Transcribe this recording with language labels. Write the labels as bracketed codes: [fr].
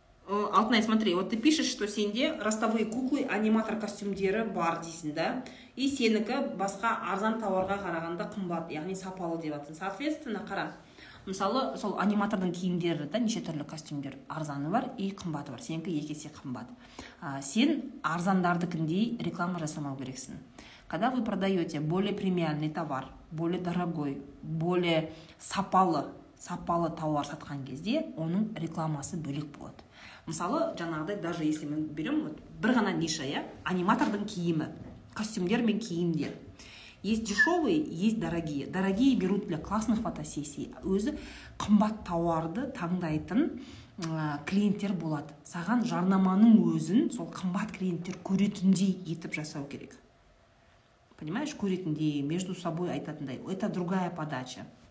[ru] Алтынай, смотри, вот ты пишешь, что сенде ростовые куклы, [kk] аниматор костюмдері бар дейсің, да? И сенікі басқа арзан таварға қарағанда қымбат, яғни сапалы деп атсың. Соответственно, қара. Мысалы, сол аниматордың киімдері, да, неше түрлі костюмдер арзаны бар, и қымбаты бар. Сенікі екі есе қымбат. Сен арзандардікіндей реклама жасамау керексің. [ru] Когда вы продаете более премиальный товар, более дорогой, более [kk] сапалы товар сатқан кезде, оның рекламасы бөлек болады. Мысалы, жаңағыдай, [ru] даже если мы берем вот [kk] бір ғана ниша, я, аниматордың киімі, костюмдер мен киімдер. [ru] Есть дешевые, есть дорогие. Дорогие берут для классных фотосессий. [kk] Өзі қымбат тауарды таңдайтын клиенттер болады. Саған жарнаманың өзін сол қымбат клиенттер көретіндей етіп жасау керек. [ru] Понимаешь, [kk] көретіндей, между собой айтатындай. [ru] Это другая подача.